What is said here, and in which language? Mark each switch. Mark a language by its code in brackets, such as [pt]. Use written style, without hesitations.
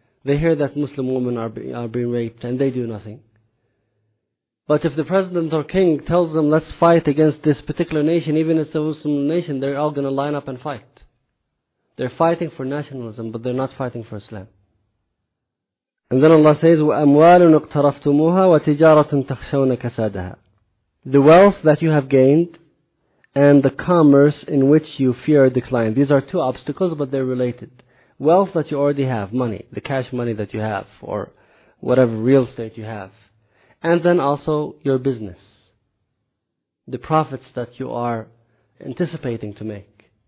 [en] They hear that Muslim women are being raped and they do nothing. But if the president or king tells them, let's fight against this particular nation, even if it's a Muslim nation, they're all going to line up and fight. They're fighting for nationalism, but they're not fighting for Islam. And then Allah says, [ar] وَأَمْوَالٌ اقْتَرَفْتُمُوهَا وَتِجَارَةٌ تَخْشَوْنَ كَسَادَهَا. [en] The wealth that you have gained and the commerce in which you fear decline. These are two obstacles, but they're related. Wealth that you already have, money, the cash money that you have, or whatever real estate you have. And then also your business. The profits that you are anticipating to make.